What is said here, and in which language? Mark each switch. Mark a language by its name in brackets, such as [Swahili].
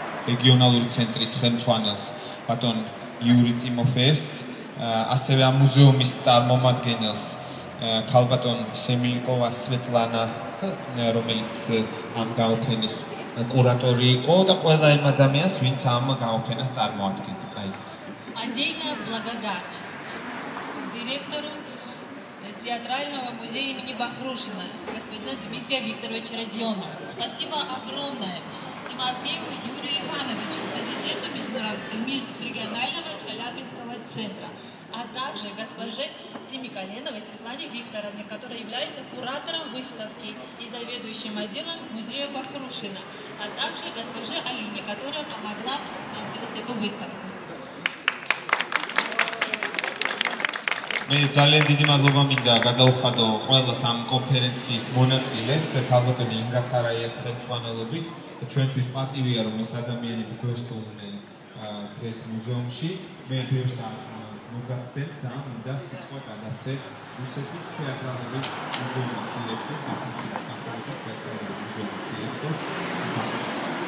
[Georgian] რეგიონალური ცენტრის ხელმძღვანელს ბატონ იური ტიმოფეს ასევე ამ მუზეუმის წარმომადგენელს ქალბატონ სემილიკოვა სვეტლანას, რომელიც ამ გამოფენის კურატორი იყო და ყველა იმ ადამიანს, ვინც ამ გამოფენას წარმოადგენდა. [Russian] Отдельная благодарность директору театрального музея имени Бахрушина, господину Дмитрию Викторовичу Родионову. Спасибо огромное Тимофею Юрию Ивановичу, президенту Межрегионального Шаляпинского центра. А также госпоже Семикаленовой Светлане Викторовне, которая является куратором выставки и заведующим отделом музея Бахрушина, а также госпоже Алине, которая помогла нам сделать эту выставку. Мне [Georgian] ძალიან დიდი მადლობა მინდა გადაუხადო ყველა სამ კონფერენციის მონაწილეს, ქალბატონ ინგა ქარაიას ხელმძღვანელობით. ჩვენთვის პატივია, რომ ეს ადამიანები გვესტუმრნენ დღეს მუზეუმში. [Russian] Мне [Georgian] ბევრს მოგაცდეთ და მინდა სიტყვა გადაცე რუსეთის თეატრალური მუზეუმის დირექტორს, სახელმწიფო თეატრალური მუზეუმის დირექტორს.